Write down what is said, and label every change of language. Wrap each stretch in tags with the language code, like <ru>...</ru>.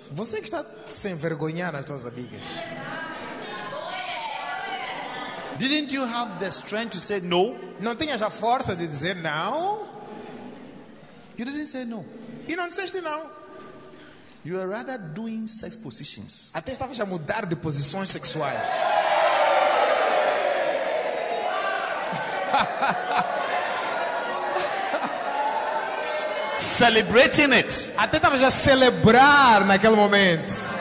<pt>Você que está se envergonhando as suas amigas.</pt> <en>Didn't you have the strength to say no?</en> <pt>Não tinhas a força de dizer não?</pt> <en>You didn't say no.</en> <pt>E não disseste não.</pt> <en>You are rather doing sex positions.</en> <pt>Até estavas a mudar de posições sexuais.</pt> <en>Celebrating it.</en> <pt>Até estavas a celebrar naquele momento.</pt>